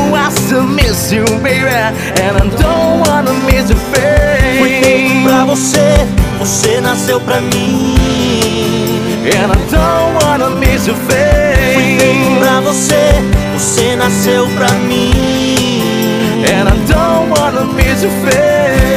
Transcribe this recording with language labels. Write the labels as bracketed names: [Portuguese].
[English] I still miss you, baby. And I don't wanna miss a thing. [Portuguese] Fui feito pra você, você nasceu pra mim. [English] And I don't wanna miss a thing. [Portuguese] Fui feito pra você, você nasceu pra mim. [English] And I don't wanna miss your face.